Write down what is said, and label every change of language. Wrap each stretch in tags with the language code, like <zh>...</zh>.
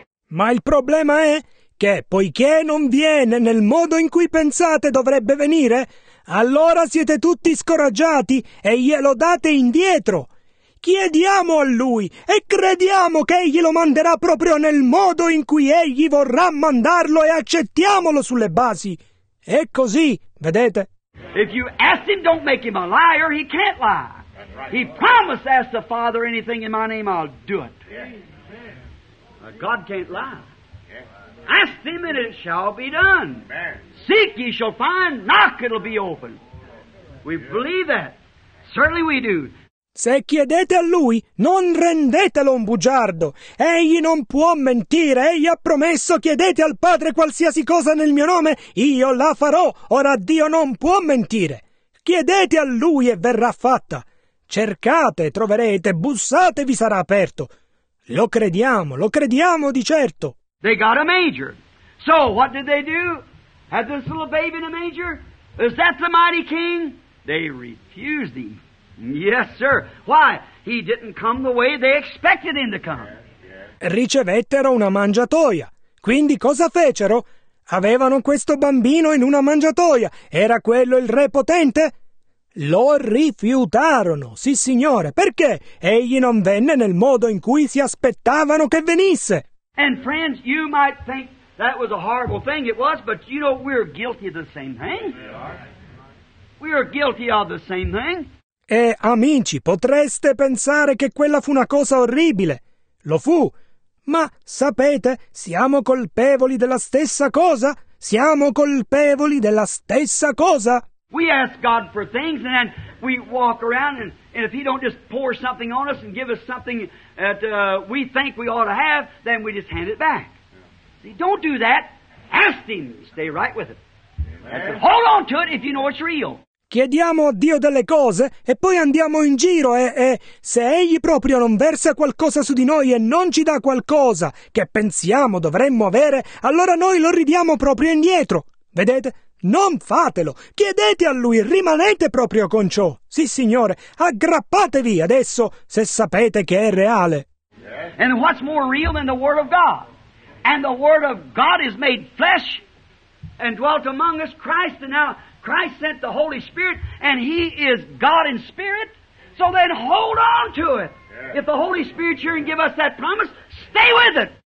<it>Ma il problema è che, poiché non viene nel modo in cui pensate dovrebbe venire, allora siete tutti scoraggiati e glielo date indietro. Chiediamo a Lui e crediamo che Egli lo manderà proprio nel modo in cui Egli vorrà mandarlo e accettiamolo sulle basi. È così, vedete?</it> <en>If you ask Him, don't make Him a liar, He can't lie. Right. He promised, ask the Father anything in My name, I'll do it. Yeah. God can't lie. Yeah. Ask Him and it shall be done. Man. Seek, ye shall find. Knock, it'll be open. We believe that. Certainly we do.</en> <it>Se chiedete a Lui, non rendetelo un bugiardo. Egli non può mentire. Egli ha promesso, chiedete al Padre qualsiasi cosa nel mio nome, io la farò. Ora Dio non può mentire. Chiedete a Lui e verrà fatta. Cercate, troverete, bussate, vi sarà aperto. Lo crediamo di certo.</it> <en>They got a manger. So, what did they do? Had this little baby in a manger? Is that the mighty king? They refused him. Yes, sir. Why? He didn't come the way they expected him to come.</en> <it>Ricevettero una mangiatoia. Quindi cosa fecero? Avevano questo bambino in una mangiatoia. Era quello il re potente? Lo rifiutarono. Sì, signore. Perché? Egli non venne nel modo in cui si aspettavano che venisse.</it> <en>And friends, you might think that was a horrible thing. It was, but you know, we're guilty of the same thing. We are guilty of the same thing.</en> <it>E, amici, potreste pensare che quella fu una cosa orribile. Lo fu. Ma, sapete, siamo colpevoli della stessa cosa. Siamo colpevoli della stessa cosa.</it> <en>We ask God for things and then we walk around and if He don't just pour something on us and give us something that we think we ought to have, then we just hand it back. See, don't do that. Ask Him. Stay right with it. Hold on to it if you know it's real.</en> <it>Chiediamo a Dio delle cose e poi andiamo in giro e se Egli proprio non versa qualcosa su di noi e non ci dà qualcosa che pensiamo dovremmo avere, allora noi lo ridiamo proprio indietro. Vedete? Non fatelo. Chiedete a Lui, rimanete proprio con ciò. Sì, signore, aggrappatevi adesso se sapete che è reale.</it> <en>And what's more real than the Word of God? And the Word of God is made flesh and dwelt among us, Christ, and now Christ sent the Holy Spirit, and He is God in spirit. So then hold on to it. If the Holy Spirit here and give us that promise, stay with it.</en>